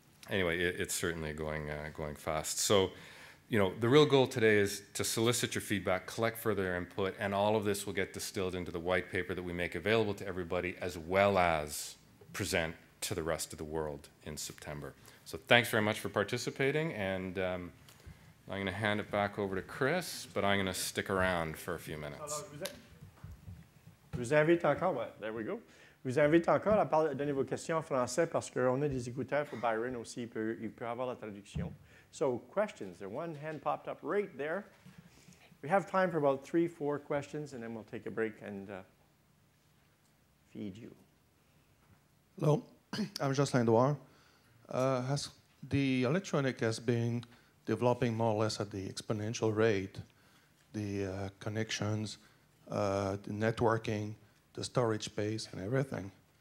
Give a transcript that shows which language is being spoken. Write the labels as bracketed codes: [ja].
[en] Anyway, it's certainly going fast. So, you know, the real goal today is to solicit your feedback, collect further input, and all of this will get distilled into the white paper that we make available to everybody, as well as present to the rest of the world in September. So thanks very much for participating, and I'm going to hand it back over to Chris, but I'm going to stick around for a few minutes. [fr] Vous avez encore, ouais, [en] there we go. [fr] Vous avez encore à donner vos questions en français parce qu'on a des écouteurs pour Byron aussi, il peut avoir la traduction. [en] So questions, there one hand popped up right there. We have time for about 3-4 questions, and then we'll take a break and feed you. Hello, I'm Jocelyn Duar. Has the electronic has been developing more or less at the exponential rate, the connections, the networking, the storage space, and everything.